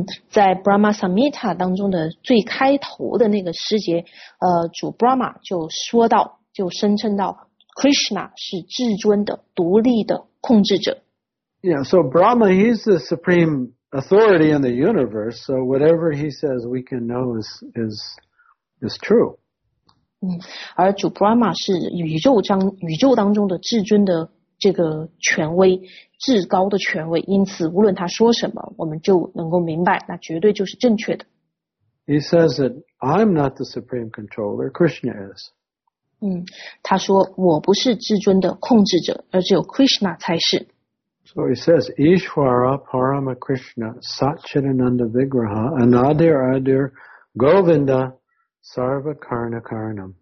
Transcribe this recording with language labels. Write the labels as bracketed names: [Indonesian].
[Chinese] 在 Brahma Samhita 当中的最开头的那个诗节，主 Brahma 就说到，就声称到 Krishna 是至尊的、独立的控制者。 [English] Yeah, so Brahma, he's the supreme authority in the universe, so whatever he says we can know is true. [Chinese] 而主 Brahma 是宇宙当中的至尊的这个权威，至高的权威，因此无论他说什么，我们就能够明白，那绝对就是正确的。 [English] He says that I'm not the supreme controller, Krishna is. [Chinese] 他说我不是至尊的控制者，而只有 Krishna 才是。 [English] So he says, [Sanskrit] Ishvara Parama Krishna Satchitananda Vigraha Anadir Adir Govinda Sarva Karna Karanam.